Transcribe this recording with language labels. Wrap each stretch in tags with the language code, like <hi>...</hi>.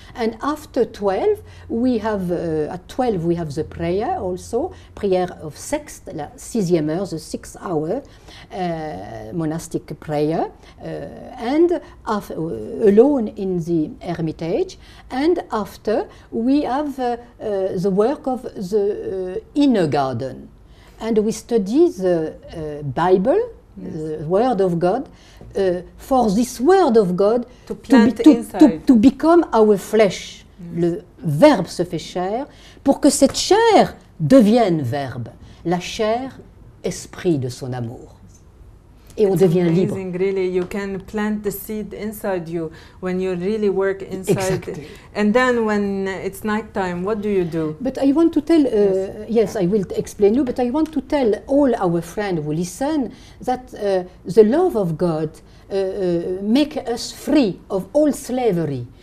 <en>And after 12, we have, at 12, we have the prayer also, prayer of sixth,</en> <fr>la sixième heure,</fr> <en>the sixth hour, monastic prayer, and alone in the hermitage. And after, we have the work of the inner garden. And we study the Bible, yes. the Word of God, for this Word of God to become our flesh. Yes.</en> <fr>Le Verbe se fait chair, pour que cette chair devienne Verbe. La chair, esprit de son amour. Et on devient</fr> <en>amazing,</en> <fr>libre.</fr> <en>Really. You can plant the seed inside you when you really work inside. Exactly. And then when it's nighttime, what do you do? But I want to tell, yes, I will explain you, but I want to tell all our friends who listen that the love of God make us free of all slavery.</en>